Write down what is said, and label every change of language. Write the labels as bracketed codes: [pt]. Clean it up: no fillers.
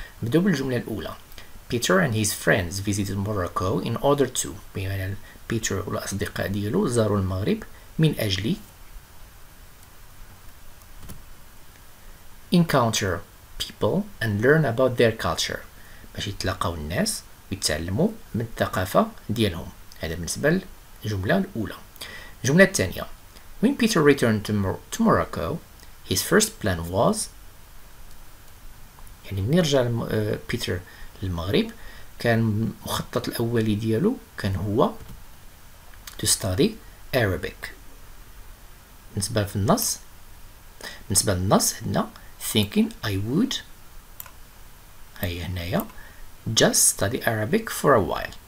[ar] نبداو بالجملة الأولى. [en] Peter and his friends visited Morocco in order to، [ar] بمعنى بيتر والأصدقاء ديالو زاروا المغرب من أجل [en] encounter people and learn about their culture، [ar] باش يتلاقاو الناس ويتعلموا من الثقافة ديالهم. هذا بالنسبة للجملة الأولى. الجملة الثانية. [en] When Peter returned to Morocco his first plan was [ar] يعني بنرجع بيتر للمغرب، كان مخطط الأولي ديالو كان هو [en] to study Arabic. [ar] بالنسبة في النص، بالنسبة للنص هنا [en] thinking I would، [ar] هيا هنايا [en] just study Arabic for a while.